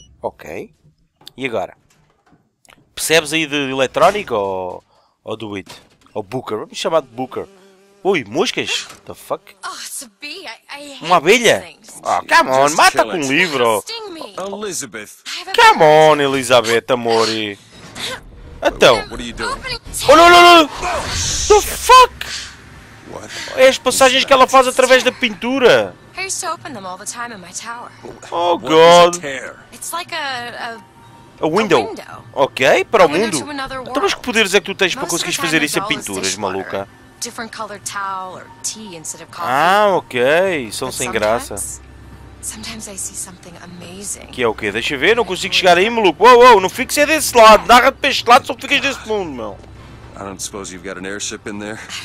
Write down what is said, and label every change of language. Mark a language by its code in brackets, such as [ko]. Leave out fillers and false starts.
[pt] Ok. E agora? Percebes aí de eletrónico ou do it? Ou Booker? Vamos chamar de Booker. Ui, moscas? [en] The fuck? [pt] Uma abelha? [en] Oh, come on, [pt] mata com um livro. Elizabeth. [en] Come on, [pt] Elizabeth, amore. Então. Oh, não, não, não. [en] The fuck? [pt] É as passagens que ela faz através da pintura. [en] I used to open them all the time in my tower. Oh, God. It's like a window. [pt] Ok, para o mundo. Então, mas que poderes é que tu tens para conseguir fazer isso em pinturas, maluca? [en] Different colored towel or tea instead of coffee. Ah, ok. [pt] São sem graça. [en] Sometimes I see something amazing. [pt] Que é o quê? Deixa ver, não consigo chegar aí, maluco. Uou, uou, não fiques aí desse lado. Narra-te para este lado, só ficas desse mundo, meu. [en] I don't suppose you've got an airship in there.